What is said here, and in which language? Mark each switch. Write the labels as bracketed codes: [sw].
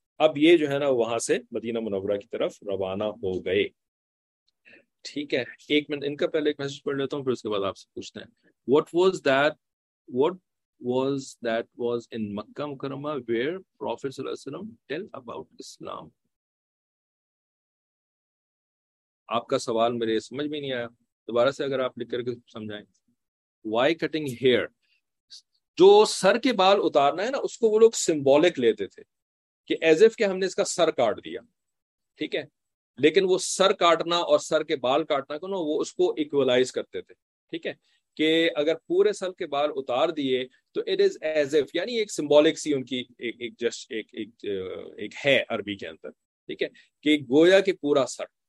[hi] अब ये जो है ना वहां से मदीना मुनव्वरा की तरफ रवाना हो गए, ठीक है। एक मिनट, इनका पहले एक मैसेज पढ़ लेता हूँ, फिर उसके बाद आपसे पूछते हैं, [en] What was that, what was that was in Makkah Mukarramah where Prophet tell about Islam. [hi] आपका सवाल मेरे समझ में नहीं आया दोबारा से अगर आप लिख करके समझाएं [en] why cutting hair [hi] जो सर के बाल उतारना है ना उसको वो लोग सिंबॉलिक लेते थे कि [en] as if [hi] के हमने इसका सर काट दिया ठीक है लेकिन वो सर काटना और सर के बाल काटना को ना वो उसको इक्वलाइज करते थे ठीक है कि अगर पूरे सर के बाल उतार दिए तो [en] it is as if [hi] यानी एक सिंबॉलिक सी उनकी एक एक जस्ट एक, एक, एक है अरबी के अंदर ठीक है कि गोया के पूरा सर